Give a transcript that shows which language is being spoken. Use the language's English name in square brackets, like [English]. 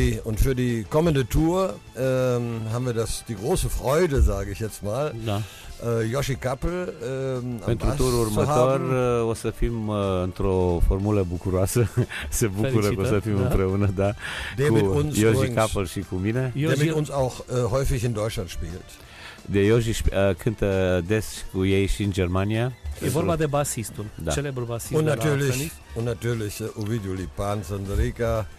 [German] und für die kommende Tour haben wir das, die große Freude, sage ich jetzt mal. [Romanian] Da. Yoshi Kappel, pentru turul următor o să fim într-o formulă bucuroasă. Se bucură că o să fim, da, împreună, da, cu Yoshi Kappel și cu mine. [German] Der mit uns auch häufig in Deutschland spielt. [Romanian] De Yoshi cântă des cu ei și în Germania. E vorba de basistul, da, celebrul basist. [German] Und natürlich Ovidiu Lipan Săntărică.